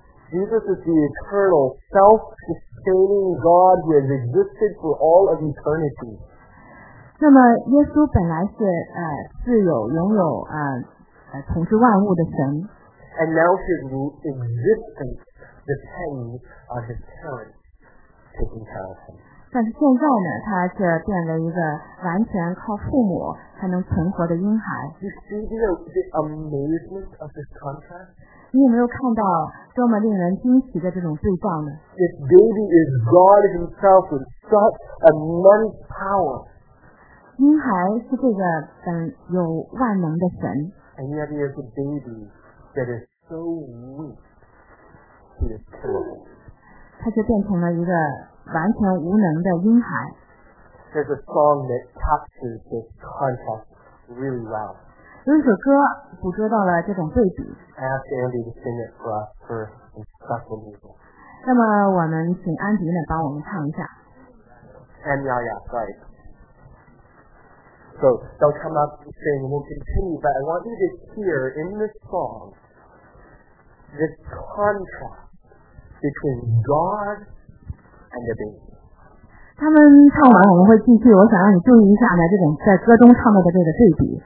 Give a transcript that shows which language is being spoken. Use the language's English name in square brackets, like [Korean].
[English] Jesus is the eternal, self-sustaining God who has existed for all of eternity. [Chinese] 那么耶稣本来是自有拥有统治万物的神。 [English] And now his existence depends on his parents taking care of him. [Chinese] 但是现在呢他却变为一个完全靠父母才能存活的婴孩。 [English] You see the amazement of this contrast? [Chinese] 你有没有看到多么令人惊奇的这种对照呢 [English] This baby is God himself with such immense power. [Chinese] 婴孩是这个有万能的神 [English] And yet he is a baby that is so weak he is terrible [Chinese] 他就变成了一个完全无能的婴孩 [English] There's a song that captures this contrast really well [Chinese] 有一首歌捕捉到了这种对比 [English] I asked Andy to sing it for us first in special music [Chinese] 那么我们请安迪呢帮我们唱一下 [English] And yeah, yeah, right So they'll come up and sing and we'll continue, but I want you to hear in this song the contrast between God and the baby. [Chinese] 他们唱完我们会继续，我想让你注意一下呢，这种在歌中唱到的这个对比。